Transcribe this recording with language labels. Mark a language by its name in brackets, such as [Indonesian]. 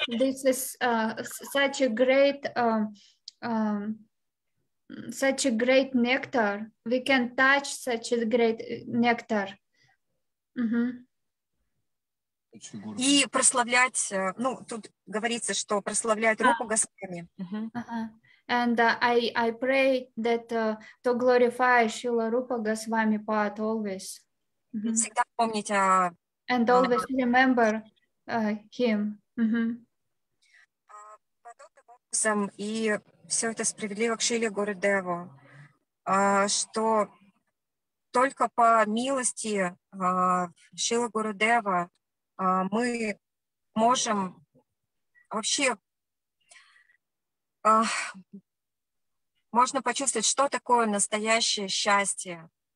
[English] This is such a great nectar. We can touch such a great nectar. Uh-huh. [Russian] И прославлять, ну тут говорится, что прославляет Рупу Госвами. Uh-huh. [English] And I pray that to glorify Srila Rupa Goswami Pad always. [Russian] Uh-huh. Всегда помнить о [English] And always remember him. [Russian] Подобным образом и все это справедливо к Шриле Гурудеве, что только по милости Шрилы Гурудевы мы можем вообще можно почувствовать, что такое настоящее счастье.